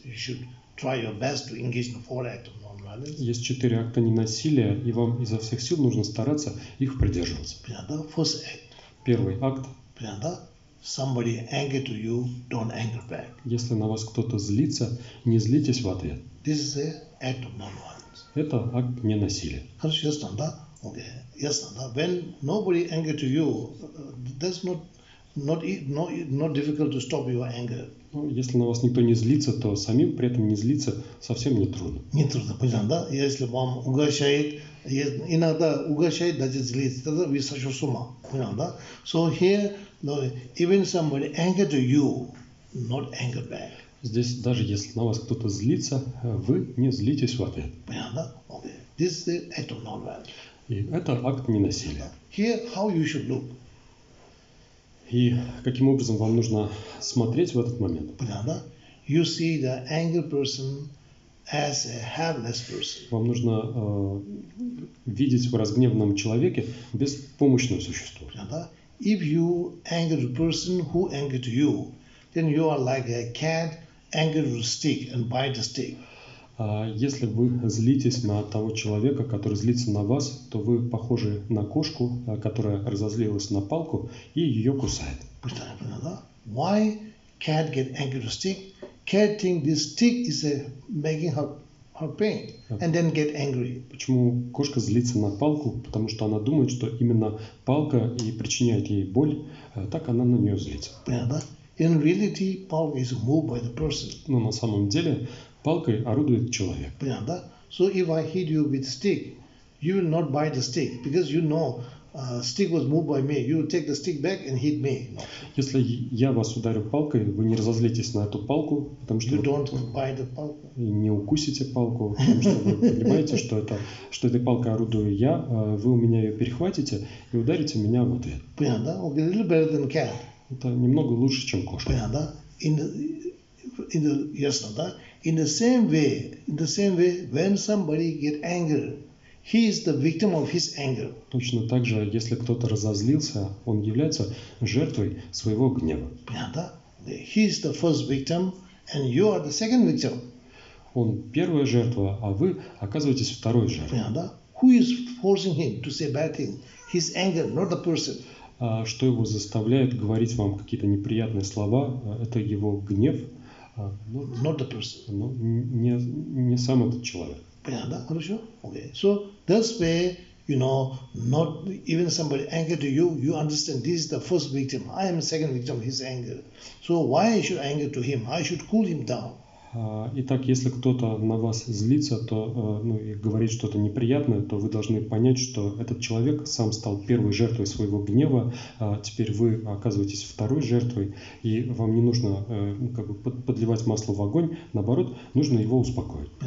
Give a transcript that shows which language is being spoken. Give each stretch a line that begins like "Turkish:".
English: You should try your best to engage in four act of non-violence.
Russian: Есть четыре акта ненасилия, и вам изо всех сил нужно стараться их придерживаться. Понятно?
English: First act.
Russian: Первый акт. Понятно?
English: Somebody angry to you, don't anger back.
Russian: Если на вас кто-то злится, не злитесь в ответ.
English: This is a act of non-violence.
Russian: Это акт ненасилия. Хорошо, ясно, да? Okay, ясно, да?
English: When nobody angry to you, that's not difficult to stop your anger.
Russian: Ну, если на вас никто не злится, то самим при этом не злиться совсем не трудно. Не трудно, понятно, да? Если вам угощает, иногда угощает, даже злится, тогда вы сошел с ума, понятно, да?
English: So here, even somebody angry to you, not anger back.
Russian: Здесь даже если на вас кто-то злится, вы не злитесь в ответ.
English: This is the act of non-violence.
Russian: И это акт ненасилия.
English: Here, how you should look.
Russian: И каким образом вам нужно смотреть в этот момент? Понятно?
English: You see the angry person as a helpless person.
Russian: Вам нужно видеть в разгневанном человеке беспомощное существо. Понятно?
English: If you angry person who angry to you, then you are like a cat angry with stick and bite the stick.
Russian: Если вы злитесь на того человека, который злится на вас, то вы похожи на кошку, которая разозлилась на палку и ее кусает.
English: Why cat get angry with stick? Cat think this stick is making her pain and then get angry.
Russian: Почему кошка злится на палку? Потому что она думает, что именно палка и причиняет ей боль, так она на нее злится.
English: In reality, palk is moved by the person.
Russian: Но на самом деле палкой орудует человек. Понятно, да?
English: So if I hit you with stick, you will not bite the stick, because you know stick was moved by me. You will take the stick back and hit me.
Russian: Если я вас ударю палкой, вы не разозлитесь на эту палку, потому что
English: you don't bite the palk.
Russian: Не укусите палку, потому что вы понимаете, что этой палкой орудую я, вы у меня ее перехватите и ударите меня в ответ. Понятно, да?
English: Okay, a little better than cat.
Russian: Это немного лучше, чем кошка. Понятно, да? Ясно, да?
English: In the same way, when somebody get angry, he is the victim of his anger.
Russian: Точно так же, если кто-то разозлился, он является жертвой своего гнева. Понятно, да?
English: He is the first victim, and you are the second victim.
Russian: Он первая жертва, а вы оказываетесь второй жертвой. Понятно, да?
English: Who is forcing him to say bad things? His anger, not the person.
Russian: Что его заставляет говорить вам какие-то неприятные слова, это его гнев, но не сам этот человек. Понятно, да? Хорошо? Okay.
English: So, that's where, you know, not even somebody angry to you, you understand this is the first victim, I am the second victim of his anger. So, why I should anger to him? I should cool him down.
Russian: Итак, если кто-то на вас злится, и говорит что-то неприятное, то вы должны понять, что этот человек сам стал первой жертвой своего гнева, теперь вы оказываетесь второй жертвой, и вам не нужно подливать масло в огонь, наоборот, нужно его успокоить.